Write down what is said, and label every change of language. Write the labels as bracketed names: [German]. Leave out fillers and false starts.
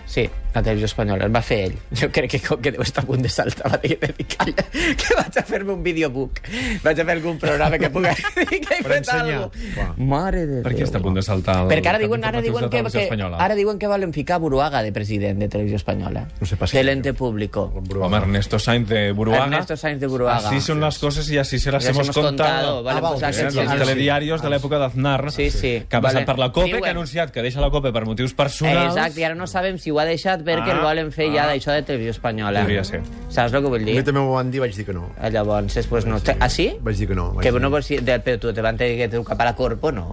[Catalan] Sí, la Televisió Espanyola, el va fer ell. Jo crec que com que deu estar a punt de saltar, va dir que vaig a fer-me un videobook. Vaig a fer algun programa que pugui dir que he fet alguna cosa. Mare de Déu. Per què està a punt de saltar el cap d'informatius de Televisió Espanyola? Ara diuen que volen ficar Buruaga de president de Televisió Espanyola. No sé pas què. Telente público. Home, Ernesto Sainz de Buruaga. Ernesto Sainz de Buruaga. [Spanish] Así son las cosas y así se las hemos contado. Los telediarios de [Catalan] l'època d'Aznar. Sí, sí. Que ha passat per la COPE, que ha anunciat que deixa la COPE per motius personals. Exacte, i ara no sabem si ho ha deixat perquè el volen fer ja d'això de Televisió Espanyola. Podria ser. Saps el que vull dir? A mi també m'ho van dir i vaig dir que no. Llavors, després no. Ah, sí? Vaig dir que no. Que no vols dir... Però tu te van haver de trucar per la Corpo, no?